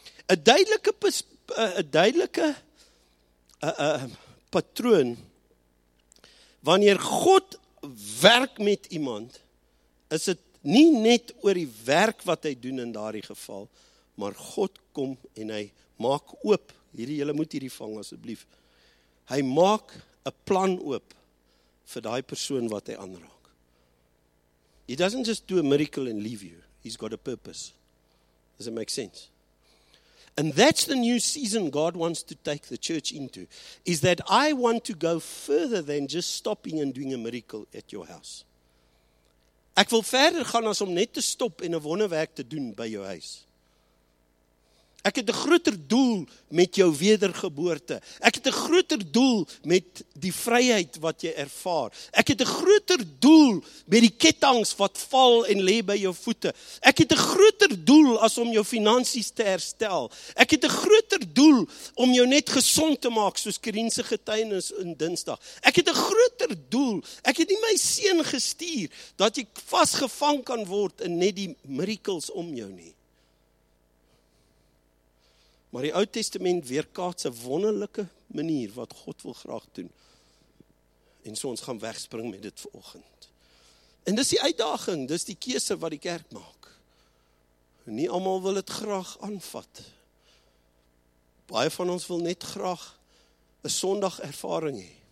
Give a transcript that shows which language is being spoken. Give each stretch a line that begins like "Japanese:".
Afrikaans: 'n duidelike patroon wanneer God werk met iemand, is dit nie net oor die werk wat hy doen in daardie geval, maar God kom en hy maak oop, hierdie julle moet hierdie vang asseblief, hy maak 'n plan oop vir daai persoon wat hy aanraak.
English: He doesn't just do a miracle and leave you, he's got a purpose. Does it make sense? And that's the new season God wants to take the church into, is that I want to go further than just stopping and doing a miracle at your house.
Afrikaans: Ek wil verder gaan as om net te stop en 'n wonderwerk te doen by jou huis. Ek het 'n groter doel met jou wedergeboorte. Ek het 'n groter doel met die vryheid wat jy ervaar. Ek het 'n groter doel met die kettinge wat val en lê by jou voete. Ek het 'n groter doel as om jou finansies te herstel. Ek het 'n groter doel om jou net gesond te maak soos Kriense getuienis in Dinsdag. Ek het 'n groter doel. Ek het nie my seun gestuur dat jy vasgevang kan word in net die miracles om jou nie. Maar die Oud Testament weerkaats 'n wonderlike manier wat God wil graag doen. En so ons gaan wegspring met dit vanoggend. En dis die uitdaging, dis die keuse wat die kerk maak. Nie almal wil dit graag aanvat. Baie van ons wil net graag 'n Sondag ervaring hê.